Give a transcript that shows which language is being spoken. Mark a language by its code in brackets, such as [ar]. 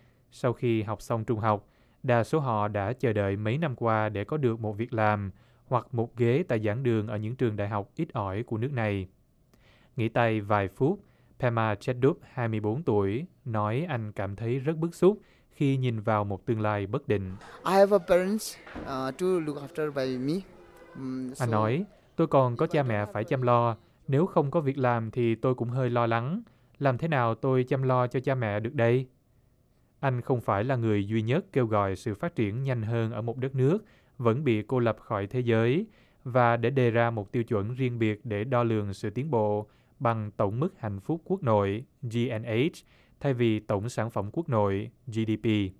[vi] Sau khi học xong trung học, đa số họ đã chờ đợi mấy năm qua để có được một việc làm hoặc một ghế tại giảng đường ở những trường đại học ít ỏi của nước này. Nghỉ tay vài phút, Pema Chedup, 24 tuổi, nói anh cảm thấy rất bức xúc khi nhìn vào một tương lai bất định. [en] I have a parents to look after by me. [vi] Anh nói, tôi còn có cha mẹ phải chăm lo. Nếu không có việc làm thì tôi cũng hơi lo lắng. Làm thế nào tôi chăm lo cho cha mẹ được đây? Anh không phải là người duy nhất kêu gọi sự phát triển nhanh hơn ở một đất nước vẫn bị cô lập khỏi thế giới và để đề ra một tiêu chuẩn riêng biệt để đo lường sự tiến bộ bằng tổng mức hạnh phúc quốc nội GNH thay vì tổng sản phẩm quốc nội GDP.